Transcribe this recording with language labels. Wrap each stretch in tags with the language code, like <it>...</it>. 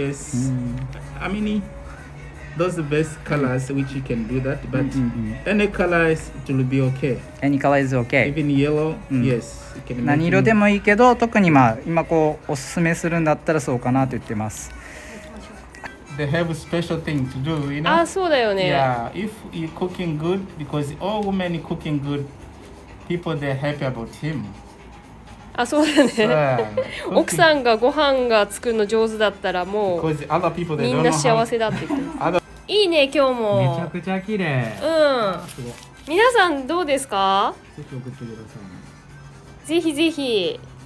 <en>yes、 I mean those are best colors which you can do that but、mm-hmm. any color is it will be okay any color is okay even yellow、mm-hmm. yes you can</en> <ja>何色でもいいけど特にまあ今こうおすすめするんだったらそうかなと言ってます。</ja> <en>They have a special thing to do, you know?</en> <ja>あ、そうだよね。</ja> <en>Yeah, if you cooking good, because all women cooking good, people they're happy about him.</en> <ja>あ、そうだね。 So, 奥さんがご飯が作るの上手だったらもう</ja> <en>because other people, they</en> <ja>みんな幸せだって言ってる。いいね、今日も。めちゃくちゃ綺麗。うん。皆さんどうですか？ぜひ送ってください。ぜひぜひ。</ja>